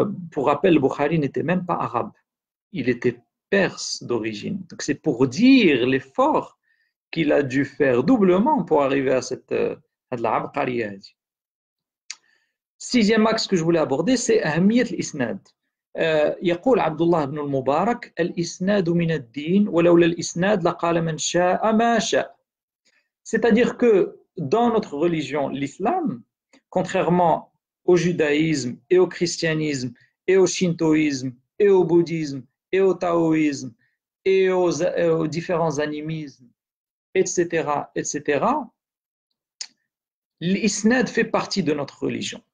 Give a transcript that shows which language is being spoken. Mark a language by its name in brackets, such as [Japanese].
[French] Pour rappel, Bukhari n'était même pas arabe, il était perse d'origine. Donc c'est pour dire l'effort qu'il a dû faire doublement pour arriver à cette al-Abqariyyah. Sixième axe que je voulais aborder, c'est Ahmiyat l'isnad. [Arabic] يقول عبد الله بن المبارك الإسناد من الدين ولولا الإسناد لقال من شاء ما شاء. [French] C'est-à-dire que dans notre religion, l'islam, contrairement au judaïsme et au christianisme et au shintoïsme et au bouddhisme et au taoïsme et aux différents animismes, etc., etc., l'isnad fait partie de notre religion.